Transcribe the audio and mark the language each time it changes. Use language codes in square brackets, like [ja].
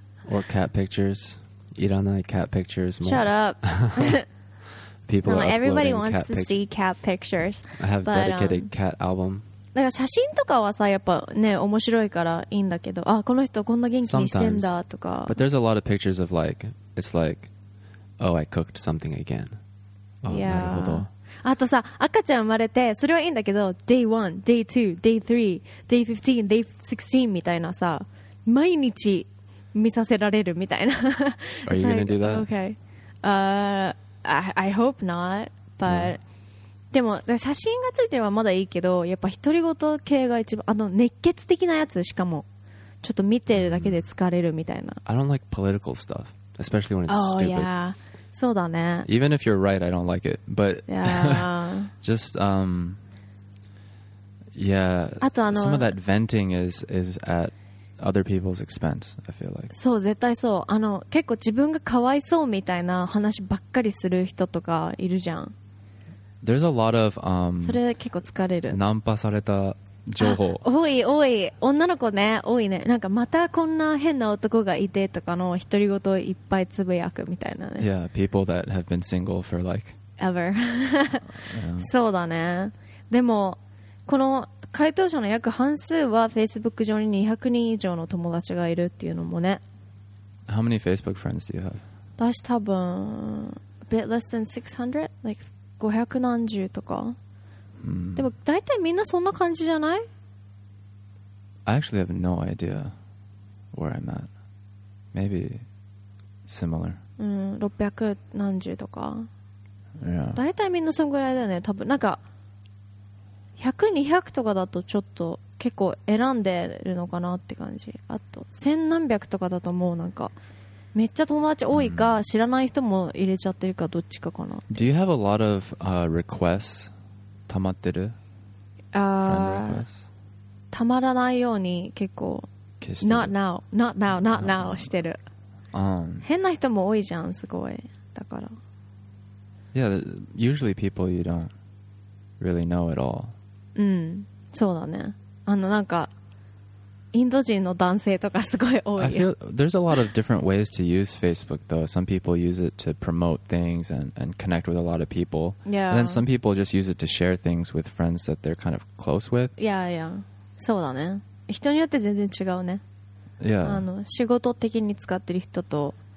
[en] Or cat pictures. [ja] いらない [en] cat pictures more. Shut up. People are Everybody wants to see cat pictures. I have a dedicated cat album. [ja] だから写真とかはさ、やっぱね、面白いからいいんだけど、あ、この人こんな元気にしてんだとか。 [en] But there's a lot of pictures of like, it's like, oh, I cooked something again. Oh, yeah. [ja] なるほど。あとさ、赤ちゃん生まれてそれはいいんだけど、 [en] Day 1, Day 2, Day 3, Day 15, Day 16 [ja] みたいなさ、毎日見させられるみたいな。 [en] Are you gonna do that? Okay. I hope not. But、yeah. [ja] でも写真がついてればまだいいけど、やっぱ独り言系が一番、あの熱血的なやつ、しかもちょっと見てるだけで疲れるみたいな。 [en] I don't like political stuff, especially when it's stupid. Oh yeah [ja] そうだね。 [en] Even if you're right, I don't like it. But yeah. just yeah. [ja] あとあの、 [en] some of that venting is at other people's expense. I feel like. [ja] そう、絶対そう。あの、結構自分がかわいそうみたいな話ばっかりする人とかいるじゃん。 [en] There's a lot of [ja] それ結構疲れる。ナンパされた情報。多い多い。女の子ね、多いね。なんかまたこんな変な男がいてとかの独り言いっぱいつぶやくみたいなね。 [en] Yeah, people that have been single for like ever. 、yeah. [ja] そうだね。でもこの回答者の約半数は Facebook 上に200人以上の友達がいるっていうのもね。 [en] How many Facebook friends do you have? [ja] 私多分 [en] a bit less than 600, like [ja] 500何十とか。でも大体みんなそんな感じじゃない？ [en] I actually have no idea where I'm at. Maybe similar. [ja] 600何十とか。 [en] Yeah. [ja] 大体みんなそんぐらいだよね。多分なんか100、200とかだとちょっと結構選んでるのかなって感じ。あと1000何百とかだともうなんかめっちゃ友達多いか、知らない人も入れちゃってるかどっちかかな。 [en] Do you have a lot of requests? [ja] たまってる、たまらないように結構 [en] not now, not now, not now [ja] してる、変な人も多いじゃん、すごい。だから [en] Yeah, usually people you don't really know at all. [ja] うん、そうだね。あのなんかインド人の男性とかすごい多い。 [en] I feel there's a lot of different ways to use Facebook though. Some people use it to promote things and connect with a lot of people. Yeah. And then some people just use it to share things with friends that they're kind of close with. Yeah, yeah. [ja] そうだね。人によって全然違うね。 [en] Yeah. [ja] あの、仕事的に使ってる人と。